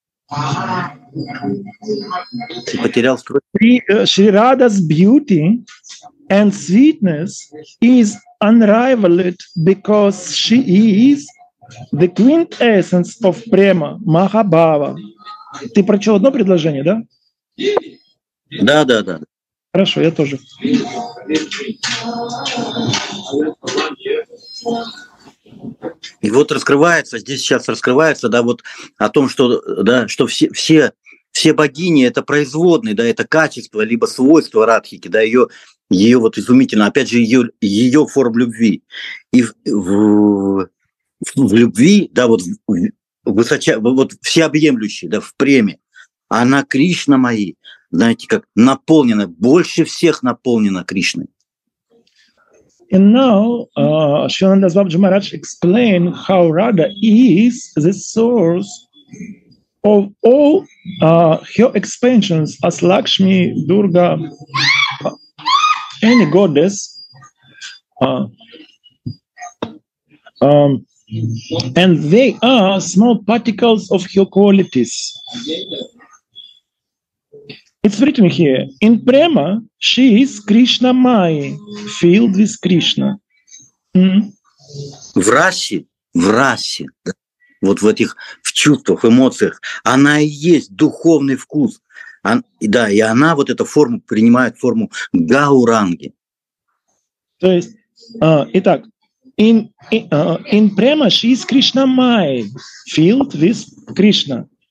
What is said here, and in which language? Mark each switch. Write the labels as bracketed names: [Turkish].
[English] Shri Radha's beauty and sweetness is unrivaled because she is the quintessence of prema, Mahabhava. [Russian] Ты прочел одно предложение, да? Да, да, да. Хорошо, я тоже. И вот раскрывается, здесь сейчас раскрывается, да, вот о том, что, да, что все богини – это производные, да, это качество, либо свойство Радхики, да, ее вот изумительно, опять же, ее форм любви. И в любви, да, вот вот всеобъемлющей, да, в преме, она Кришна Майи, знаете, как наполнена, больше всех наполнена Кришной. [English] And now Shrinanda Swabji Maharaj explained how Radha is the source of all her expansions as Lakshmi, Durga, any goddess. And they are small particles of her qualities. It's written here, in prema, she is Krishna Mai, filled with Krishna. [Russian] В расе, да, вот в этих в чувствах, эмоциях, она и есть духовный вкус. И она вот эту форму принимает, форму Гауранги. То есть, итак, [English] in prema, she is Krishna Mai, filled with Krishna.